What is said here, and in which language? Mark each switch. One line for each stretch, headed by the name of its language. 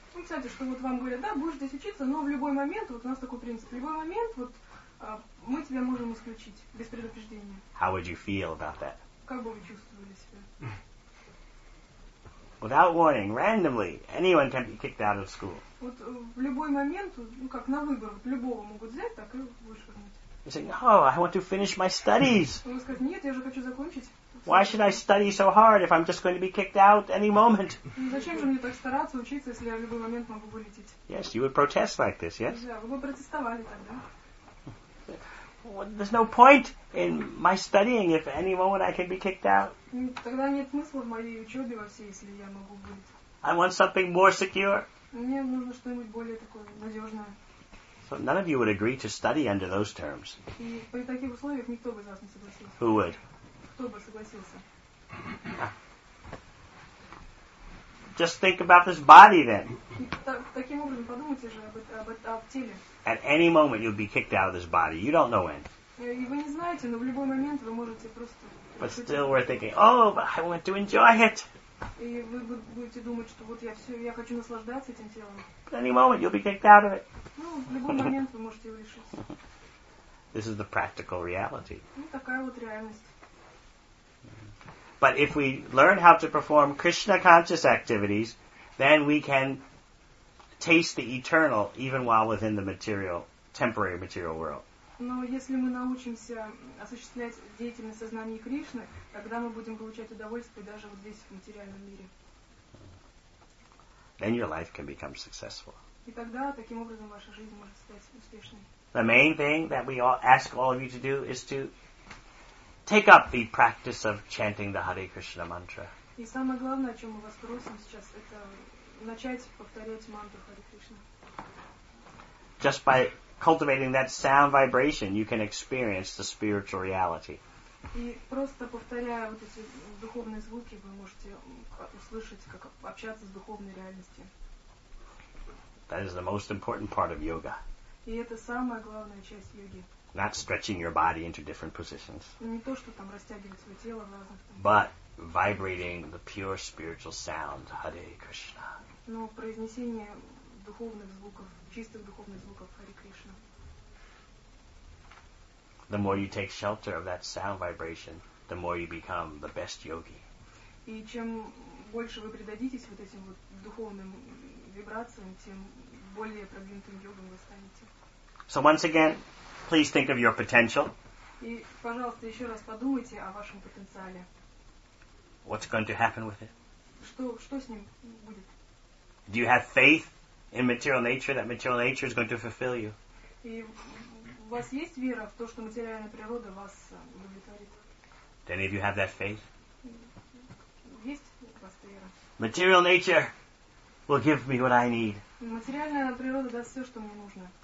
Russian: Ну, кстати, что вот вам говорят, да, будешь здесь учиться, но в любой момент, вот у нас такой принцип, в любой момент, вот, мы тебя можем исключить, без предупреждения.
English: How would you feel about that?
Russian: Как бы вы чувствовали себя?
English: Without warning, randomly, anyone can be kicked out of school.
Russian: Вот в любой момент, ну как на выбор, любого могут взять, так и вышвырнуть.
English: You say, no, I want to finish my studies.
Russian: Вы скажете, нет, я же хочу закончить.
English: Why should I study so hard if I'm just going to be kicked out any moment?
Russian: Зачем же мне так стараться учиться, если я в любой момент могу вылететь?
English: Yes, you would protest like this, yes?
Russian: Да, вы бы протестовали тогда.
English: Well, there's no point in my studying if any moment I can be kicked out.
Russian: Тогда нет смысла в моей учебе во всей, если я могу быть.
English: I want something more secure.
Russian: Мне нужно что-нибудь более такое надежное.
English: So none of you would agree to study under those terms.
Russian: И при таких условиях никто бы из вас не согласился.
English: Who would?
Russian: Кто бы согласился?
English: Just think about this body then.
Russian: Таким образом подумайте же об теле.
English: At any moment you'll be kicked out of this body. You don't know when.
Russian: И вы не знаете, но в любой момент вы можете просто...
English: But still we're thinking, oh, but I want to enjoy it.
Russian: И вы будете думать, что вот я хочу наслаждаться этим телом.
English: At any moment you'll be kicked out of it.
Russian: Ну, в любой момент вы можете его лишиться.
English: This is the practical reality.
Russian: Ну, такая вот реальность.
English: But if we learn how to perform Krishna conscious activities, then we can taste the eternal even while within the material, temporary material world.
Russian: Но если мы научимся осуществлять деятельность сознания Кришны, тогда мы будем получать удовольствие даже вот здесь, в материальном мире.
English: then your life can become successful.
Russian: И тогда, таким образом, ваша жизнь может стать успешной.
English: The main thing that we all ask all of you to do is to take up the practice of chanting the Hare Krishna mantra.
Russian: И самое главное, о чем мы вас просим сейчас, это начать повторять мантру Hare Krishna.
English: Just by cultivating that sound vibration, you can experience the spiritual reality.
Russian: И просто повторяя вот эти духовные звуки, вы можете услышать, как общаться с духовной реальностью.
English: That is the most important part of yoga.
Russian: И это самая главная часть йоги.
English: Not stretching your body into different positions.
Russian: Не то, что там растягивать свое тело в разных.
English: But vibrating the pure spiritual sound, Hare Krishna.
Russian: Но произнесение духовных звуков, чистых духовных звуков Hare Krishna.
English: The more you take shelter of that sound vibration, the more you become the best yogi.
Russian: И чем больше вы предадитесь вот этим вот духовным вибрациям, тем более продвинутым йогом вы станете.
English: So once again, please think of your potential.
Russian: И, пожалуйста, еще раз подумайте о вашем потенциале.
English: What's going to happen with it?
Russian: Что с ним будет?
English: Do you have faith in material nature that material nature is going to fulfill you?
Russian: И у вас есть вера в то, что материальная природа вас удовлетворит?
English: Do any of you have that faith?
Russian: Есть у вас вера?
English: Material nature will give me what I need.
Russian: Материальная природа даст все, что мне нужно.